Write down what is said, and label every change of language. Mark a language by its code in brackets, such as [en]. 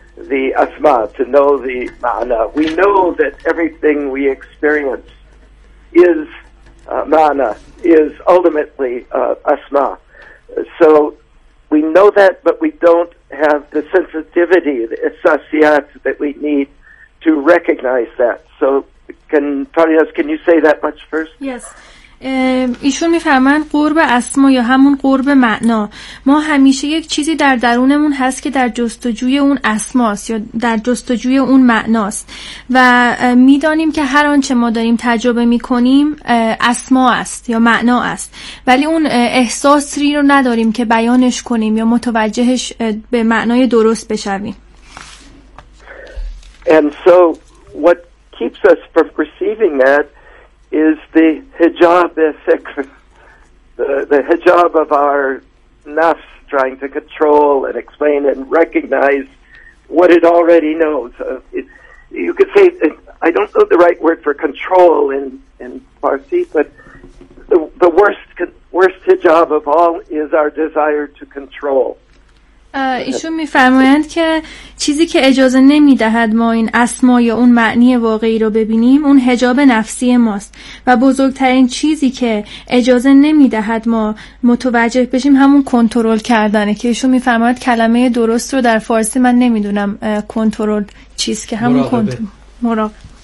[en] the asma, to know the ma'na. We know that everything we experience is ma'na, is ultimately asma. So we know that, but we don't have the sensitivity, the isasiyat, that we need to recognize that. So can Farias, can you say that much first? Yes. [fa] ایشون میفرمان قرب اسما یا همون قرب معنا، ما همیشه یک چیزی در درونمون هست که در جستجوی اون اسماست یا در جستجوی اون معناست و میدانیم که هر آنچه ما داریم تجربه میکنیم اسما است یا معنا است، ولی اون احساسی رو نداریم که بیانش کنیم یا متوجهش به معنای درست بشویم. [en] And so what keeps us from receiving that is the hijab effect, the hijab of our nafs trying to control and explain and recognize what it already knows. You could say, I don't know the right word for control in Farsi, but the worst hijab of all is our desire to control. [fa] ایشون میفرمایند که چیزی که اجازه نمیدهد ما این اسما یا اون معنی واقعی رو ببینیم اون حجاب نفسی ماست و بزرگترین چیزی که اجازه نمیدهد ما متوجه بشیم همون کنترل کردنه، که ایشون میفرماید کلمه درست رو در فارسی من نمیدونم کنترل چیست، که همون کنترل مراقبه.